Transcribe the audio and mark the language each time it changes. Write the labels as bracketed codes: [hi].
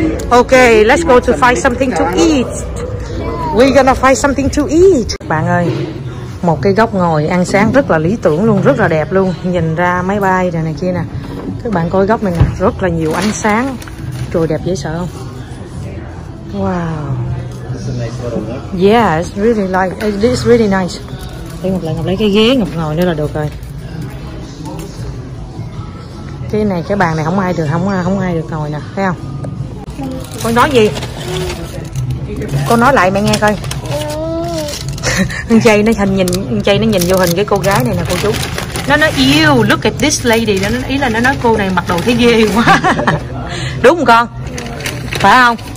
[en] Ok, let's go to find something to eat. We're gonna find something to eat. [vi] Bạn ơi, một cái góc ngồi ăn sáng rất là lý tưởng luôn, rất là đẹp luôn. Nhìn ra máy bay này, này kia nè. Các bạn coi góc này nè, rất là nhiều ánh sáng. Trời đẹp dễ sợ không? Wow. [en] Yeah, it's really like, it's really nice. [vi] Ngọc lấy cái ghế, Ngọc ngồi nữa là được rồi. Cái này, cái bàn này không ai được, không ai được ngồi nè, thấy không? Con nói gì? Con nói lại mẹ nghe coi. Chay nó hình nhìn, Chay nó nhìn vô hình cái cô gái này nè cô chú. Nó nói yêu, look at this lady, nó ý là nó nói cô này mặc đồ thấy ghê quá. Đúng không con? Phải không?